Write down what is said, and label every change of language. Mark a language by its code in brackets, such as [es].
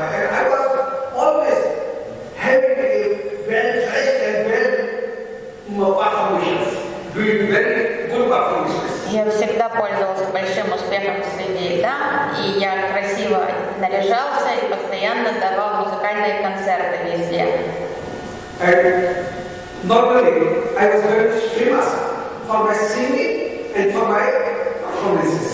[en] I was always having a well-dressed and well-performed, doing very good performances. [ru] Я всегда пользовался большим успехом среди дам, и я красиво наряжался и постоянно давал музыкальные концерты везде. [en] And normally I was very famous for my singing and for my performances.